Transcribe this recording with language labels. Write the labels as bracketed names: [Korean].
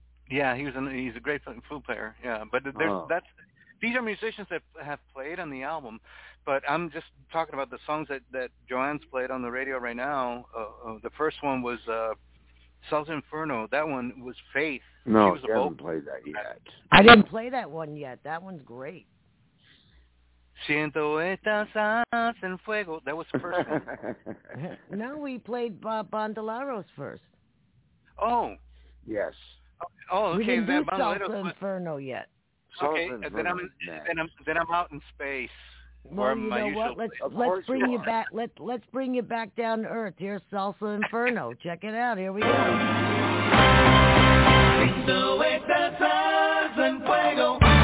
[English] Yeah, he's a great flute player. Yeah, but these are musicians that have played on the album. But I'm just talking about the songs that Joanne's played on the radio right now. The first one was South Inferno. That one was Faith. No, she haven't played that yet. I didn't play that one yet. That one's great. [Spanish] Siento esta salsa en fuego. [English] That was the first one. No, we played Bandoleros first. Oh. Yes. Oh, okay. We didn't then do Bandoleros, Salsa Inferno yet. Okay, Inferno. Then I'm out in space. Well, where you my know what? Let's bring you back. Let's bring you back down to earth. Here's Salsa Inferno. Check it out. Here we go. [Spanish] Siento esta salsa en fuego.